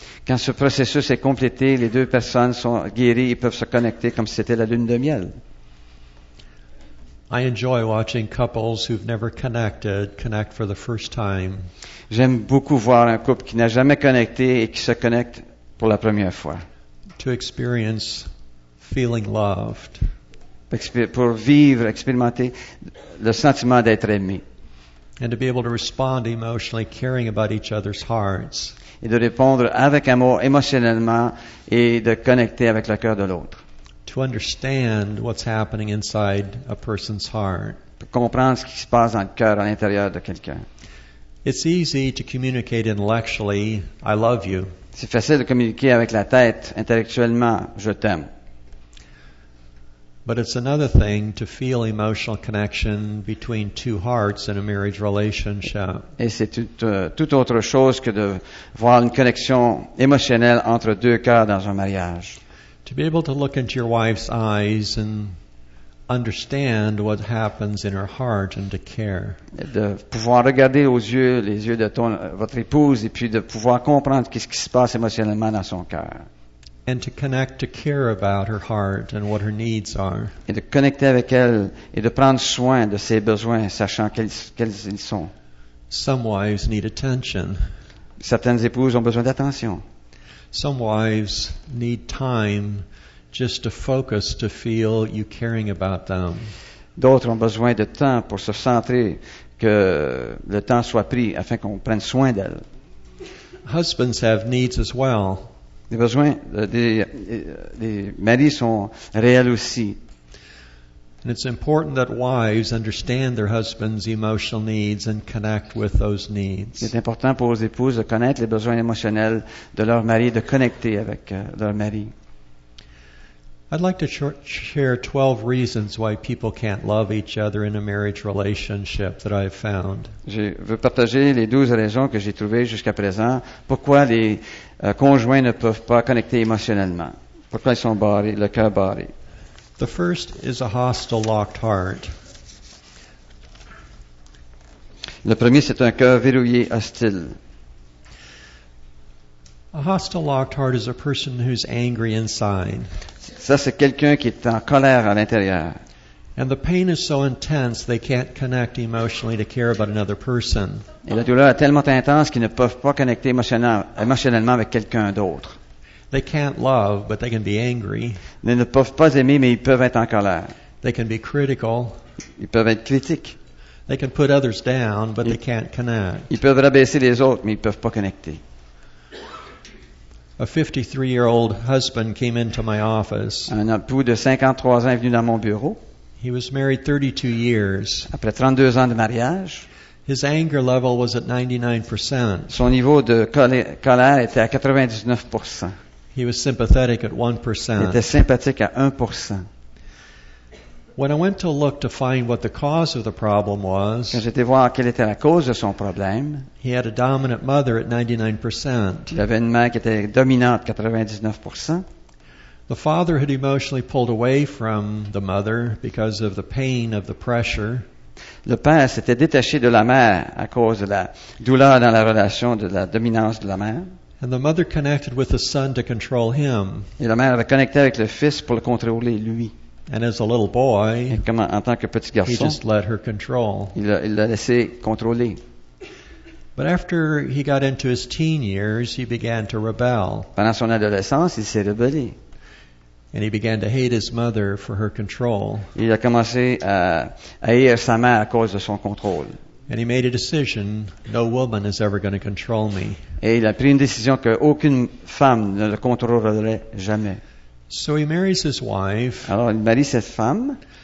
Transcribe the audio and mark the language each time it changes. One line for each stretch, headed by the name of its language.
French: Quand ce processus est complété, les deux personnes sont guéries et peuvent se connecter comme si c'était la lune de miel.
English: I enjoy watching couples who've never connected connect for the first time.
French: J'aime beaucoup voir un couple qui n'a jamais connecté et qui se connecte pour la première fois.
English: To experience feeling loved.
French: Pour vivre, expérimenter le sentiment d'être aimé.
English: And to be able to respond emotionally, caring about each other's hearts.
French: Et de répondre avec amour émotionnellement et de connecter avec le cœur de l'autre.
English: To understand what's happening inside a person's heart.
French: Pour comprendre ce qui se passe dans le cœur à l'intérieur de quelqu'un.
English: It's easy to communicate intellectually, I love you.
French: C'est facile de communiquer avec la tête intellectuellement, je t'aime.
English: But it's another thing to feel emotional connection between two hearts in a marriage relationship.
French: Et c'est tout autre chose que de voir une connexion émotionnelle entre deux cœurs dans un mariage.
English: To be able to look into your wife's eyes and understand what happens in her heart and to care.
French: De pouvoir regarder aux yeux, les yeux de votre épouse et puis de pouvoir comprendre qu'est-ce qui se passe émotionnellement dans son cœur.
English: And to connect to care about her heart and what her needs are.
French: Et de connecter avec elle et de prendre soin de ses besoins, sachant quels ils sont.
English: Some wives need attention.
French: Certaines épouses ont besoin d'attention.
English: Some wives need time just to focus to feel you caring about them.
French: D'autres ont besoin de temps pour se centrer, que le temps soit pris afin qu'on prenne soin d'elles.
English: Husbands have needs as well.
French: Les besoins des maris sont réels aussi.
English: And it's important that wives understand their husband's emotional needs and connect with those needs.
French: C'est important pour les épouses de connaître les besoins émotionnels de leur mari, de connecter avec leur mari.
English: I'd like to share 12 reasons why people can't love each other in a marriage relationship that I've found.
French: Je veux partager les 12 raisons que j'ai trouvées jusqu'à présent pourquoi les conjoints ne peuvent pas connecter émotionnellement. Pourquoi ils sont barrés, le cœur barré.
English: The first is a hostile, locked heart.
French: Le premier, c'est un cœur verrouillé, hostile.
English: A hostile, locked heart is a person who's angry inside.
French: Ça, c'est quelqu'un qui est en colère à l'intérieur.
English: And the pain is so intense they can't connect emotionally to care about another person.
French: Et la douleur est tellement intense qu'ils ne peuvent pas connecter émotionnellement avec quelqu'un d'autre.
English: They can't love, but they can be angry.
French: Ils ne peuvent pas aimer, mais ils peuvent être en colère.
English: They can be critical.
French: Ils peuvent être critiques.
English: They can put others down, but they can't connect.
French: Ils peuvent rabaisser les autres, mais ils ne peuvent pas connecter.
English: A 53-year-old husband came into my office.
French: Un époux de 53 ans est venu dans mon bureau.
English: He was married 32 years.
French: Après 32 ans de mariage.
English: His anger level was at 99%.
French: Son niveau de colère était à 99%.
English: He was sympathetic at 1%.
French: Il était sympathique à 1%.
English: When I went to look to find what the cause of the problem was,
French: quand j'étais voir quelle était la cause de son problème,
English: he had a dominant mother at 99%.
French: Il avait une mère qui était dominante 99%.
English: The father had emotionally pulled away from the mother because of the pain of the pressure.
French: Le père s'était détaché de la mère à cause de la douleur dans la relation de la dominance de la mère.
English: And the mother connected with the son to control him.
French: Et la mère avait connecté avec le fils pour le contrôler lui.
English: And as a little boy,
French: en tant que petit garçon,
English: he just let her control.
French: Il l'a laissé contrôler.
English: But after he got into his teen years, he began to rebel.
French: Pendant son adolescence, il s'est rebellé.
English: And he began to hate his mother for her control.
French: Il a commencé à haïr sa mère à cause de son contrôle.
English: And he made a decision, no woman is ever going to control me.
French: Et il a pris une décision que aucune femme ne le contrôlerait jamais.
English: So he marries his wife.
French: Alors il marie cette femme.